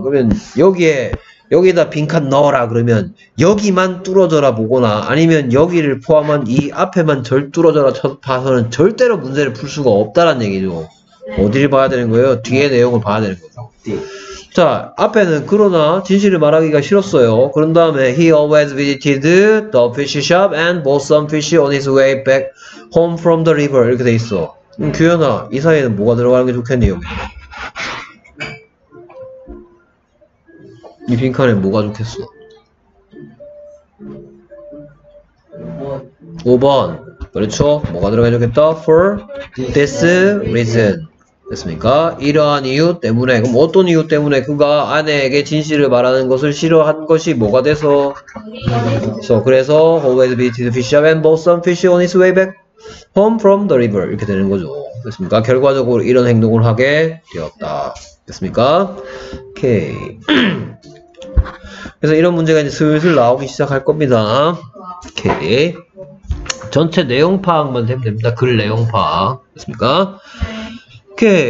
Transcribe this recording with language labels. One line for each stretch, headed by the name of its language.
Korean: 그러면 여기에다 빈칸 넣어라 그러면 여기만 뚫어져라 보거나 아니면 여기를 포함한 이 앞에만 절 뚫어져라 봐서는 절대로 문제를 풀 수가 없다라는 얘기죠. 어디를 봐야 되는 거예요? 뒤에 내용을 봐야 되는 거죠. 자, 앞에는 그러나 진실을 말하기가 싫었어요. 그런 다음에
English: he always visited the fish shop and bought some fish on his way back home from the river
Korean: 이렇게 돼 있어. 규현아, 이 사이에는 뭐가 들어가는 게 좋겠니요? 이 빈칸에 뭐가 좋겠어? 5번. 그렇죠? 뭐가 들어가야 좋겠다?
English: For this reason.
Korean: 됐습니까? 이러한 이유 때문에, 그럼 어떤 이유 때문에 그가 아내에게 진실을 말하는 것을 싫어한 것이 뭐가 돼서? 그래서
English: always visited fish shop and bought some fish on his way back home from the river
Korean: 이렇게 되는 거죠. 됐습니까? 결과적으로 이런 행동을 하게 되었다. 됐습니까? 오케이. 그래서 이런 문제가 이제 슬슬 나오기 시작할 겁니다. 오케이. 전체 내용 파악만 되면 됩니다. 글 내용 파악. 됐습니까? 오케이.